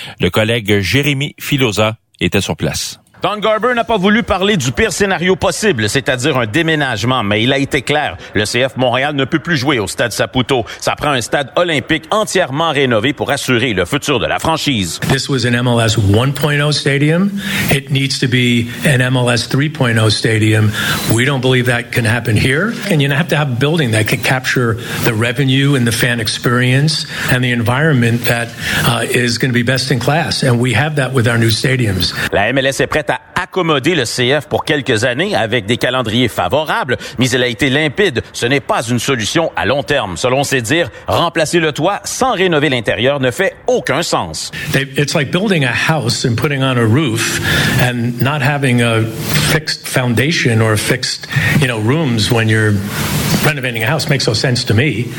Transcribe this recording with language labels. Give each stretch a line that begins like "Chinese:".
French: Le collègue Jérémy Filosa était sur place. Don Garber n'a pas voulu parler du pire scénario possible, c'est-à-dire un déménagement, mais il a été clair. Le CF Montréal ne peut plus jouer au stade Saputo. Ça prend un stade olympique entièrement rénové pour assurer le futur de la franchise.
English: This was an MLS 1.0 stadium. It needs to be an MLS 3.0 stadium. We don't believe that can happen here. And you have to have a building that can capture the revenue and the fan experience and the environment that is going to be best in class. And we have that with our new stadiums.
French: La MLS est prête à accommoder le CF pour quelques années avec des calendriers favorables, mais elle a été limpide. Ce n'est pas une solution à long terme. Selon ses dires, remplacer le toit sans rénover l'intérieur ne fait aucun sens.
English: It's like building a house and putting on a roof and not having a fixed foundation or fixed, you know, rooms when you're renovating a house makes no sense to me.